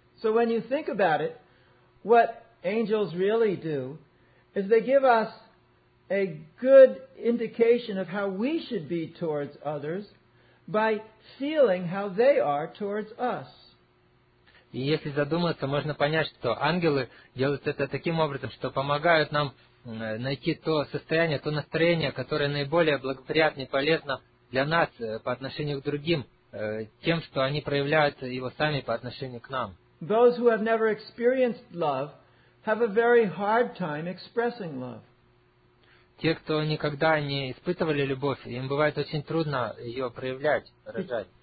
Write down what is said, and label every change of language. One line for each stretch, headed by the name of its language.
English: So when you think about it, what angels really do is they give us a good indication of how we should be towards others by feeling how they are towards us.
Russian: И если задуматься, можно понять, что ангелы делают это таким образом, что помогают нам найти то состояние, то настроение, которое наиболее благоприятно и полезно для нас по отношению к другим, тем, что они проявляют его сами по отношению к нам.
English: Those who have never experienced love have a very hard time expressing love.
Russian: Те, кто никогда не испытывали любовь, им бывает очень трудно ее проявлять, выражать.